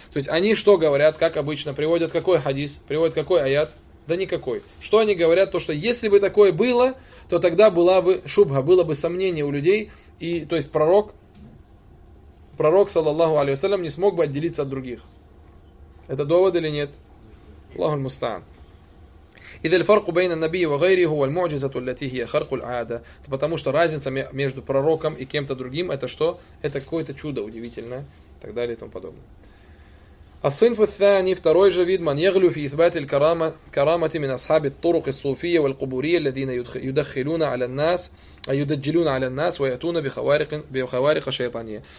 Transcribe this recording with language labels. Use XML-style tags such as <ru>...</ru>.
<ru>То есть они что говорят, как обычно, приводят какой хадис, приводят какой аят? Да никакой. Что они говорят? То, что если бы такое было, то тогда была бы шубха, было бы сомнение у людей, и, то есть пророк, саллаллаху алейхи вассалям, не смог бы отделиться от других. Это довод или нет?</ru> <ar>Аллаху аль-мустаан. إذا الفرق بين النبي وغيره هو المعجزة التي هي خرق العادة.</ar> <ru>Потому что разница между пророком и кем-то другим, это что? Это какое-то чудо удивительное, и так далее и тому подобное.</ru> <ar>الصنف الثاني</ar> <ru>второй же вид</ru> <ar>من يغلو في إثبات الكرامة كرامة من أصحاب الطرق الصوفية والقبورية الذين يدخلون على الناس يدجلون على الناس ويأتون بخوارق شيطانية.</ar>